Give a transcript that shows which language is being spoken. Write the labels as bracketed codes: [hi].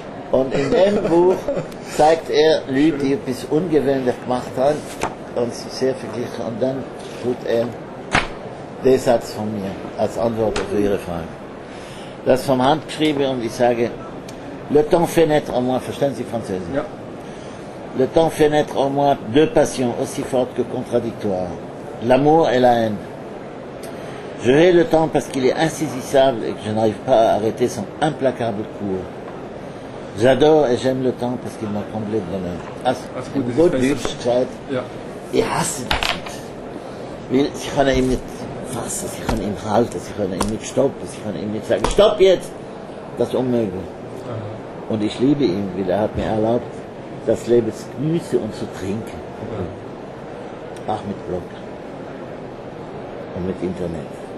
[de] Und in dem Buch zeigt er Leute, die etwas ungewöhnlich gemacht haben und sehr verglichen. Und dann tut er den Satz von mir als Antwort auf Ihre Frage. Das vom Hand geschrieben und ich sage, [fr] le temps fait naître en moi, [de] verstehen Sie Französisch? Ja. [fr] Le temps fait naître en moi deux passions aussi fortes que contradictoires. L'amour et la haine. Je hais le temps parce qu'il est insaisissable et que je n'arrive pas à arrêter son implacable cours. J'adore et j'aime le temps parce qu'il m'a comblé de bonheur. [de] Also, gut, ich hasse ich hasse das nicht. Weil sie können ihn nicht fassen, sie können ihn halten, sie können ihn nicht stoppen, sie können ihm nicht sagen, stopp jetzt! Das ist unmöglich. Und ich liebe ihn, weil er hat mir erlaubt, das Leben zu genießen und zu trinken. Auch mit Blog. Und mit Internet.